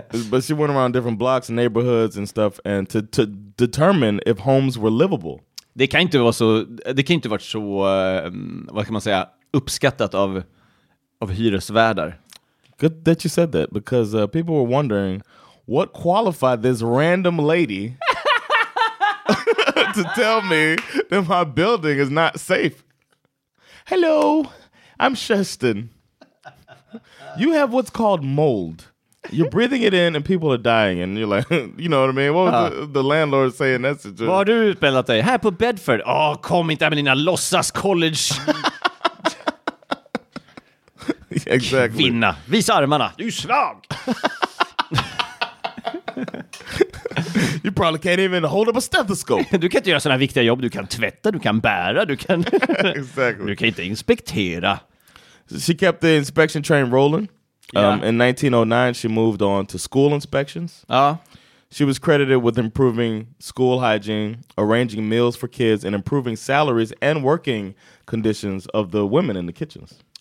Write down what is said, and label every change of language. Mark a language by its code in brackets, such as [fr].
[en] But she went around different blocks and neighborhoods and stuff, and to determine if homes were livable. [sv] Det kan inte vara så, det kan inte varit så vad kan man säga, uppskattat av hyresvärdar. [en] Good that you said that, because people were wondering what qualified this random lady to tell me that my building is not safe. Hello, I'm Kerstin. You have what's called mold. You're breathing it in and people are dying. And you're like, you know what I mean? What was the landlord saying that situation? [sv] Vad har du utbildat dig? Här på Bedford? Åh, kom inte med dina låtsas college. [en] Exactly. [sv] Kvinna, visa armarna. Du är svag. [en] You probably can't even hold up a stethoscope. [sv] Du kan inte göra sådana viktiga jobb. Du kan tvätta, du kan bära, du kan... [en] Exactly. [sv] Du kan inte inspektera. [en] She kept the inspection train rolling. Yeah. In 1909, she moved on to school inspections. She was credited with improving school hygiene, arranging meals for kids, and improving salaries and working conditions of the women in the kitchens.